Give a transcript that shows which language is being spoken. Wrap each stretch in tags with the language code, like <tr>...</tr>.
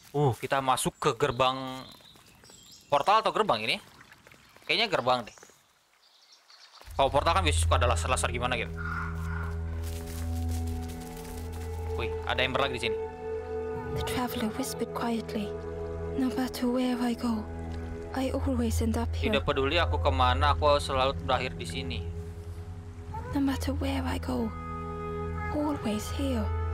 <id>Kita masuk ke gerbang portal atau gerbang ini? Kayaknya gerbang deh. Kalau portal kan biasanya suka ada laser-laser gimana gitu. Wih, ada Ember lagi di sini.</id> <en>The traveler whispered quietly. No matter where I go, I always end up here.</en> <id>Tidak peduli aku kemana, aku selalu berakhir di sini.</id> <en>No matter where I go, always here.</en>